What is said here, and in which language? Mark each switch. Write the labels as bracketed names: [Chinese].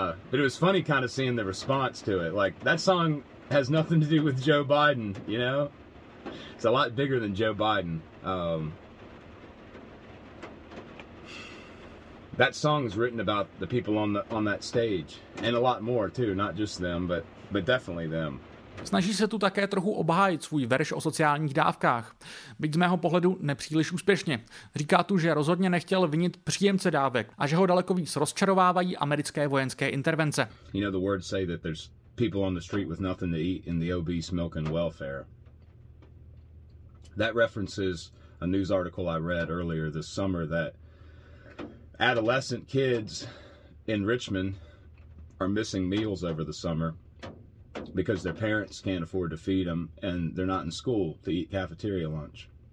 [English] But it was funny kind of seeing the response to it. Like, that song has nothing to do with Joe Biden, you know? It's a lot bigger than Joe Biden. That song's written about the people on that stage. And a lot more, too. Not just them, but definitely them. [Czech] Snaží se tu také trochu obhájit svůj verš o sociálních dávkách. Byť z mého pohledu nepříliš úspěšně. Říká tu, že rozhodně nechtěl vinit příjemce dávek a že ho daleko víc rozčarovávají americké vojenské intervence. [English] You know, the words say that there's people on the street with nothing to eat in the obese milk and welfare. That references a news article I read earlier this summer that adolescent kids in Richmond are missing meals over the summer because their parents can't afford to feed them and they're not in school to eat cafeteria lunch.